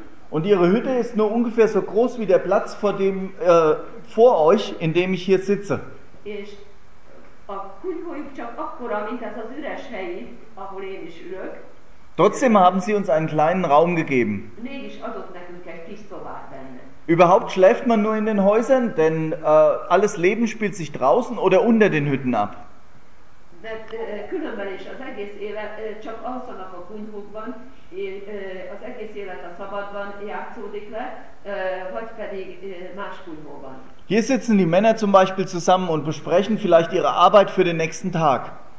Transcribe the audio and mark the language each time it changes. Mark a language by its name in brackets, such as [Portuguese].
[German] Und ihre Hütte ist nur ungefähr so groß wie der Platz vor euch, in dem ich hier sitze. [Hungarian] A kunyhójuk csak akkora, mint ez az üres hely, ahol én is ülök. [German] Trotzdem haben sie uns einen kleinen Raum gegeben. [Hungarian] Mégis adott nekünk egy kis szobát benne. [German] Überhaupt schläft man nur in den Häusern, denn alles Leben spielt sich draußen oder unter den Hütten ab. [Hungarian] De különben is az egész élet csak alszanak a kunyhókban, az egész élet a szabadban játszódik le, vagy pedig más kunyhóban. [German] Hier sitzen die Männer zum Beispiel zusammen und besprechen vielleicht ihre Arbeit für den nächsten Tag.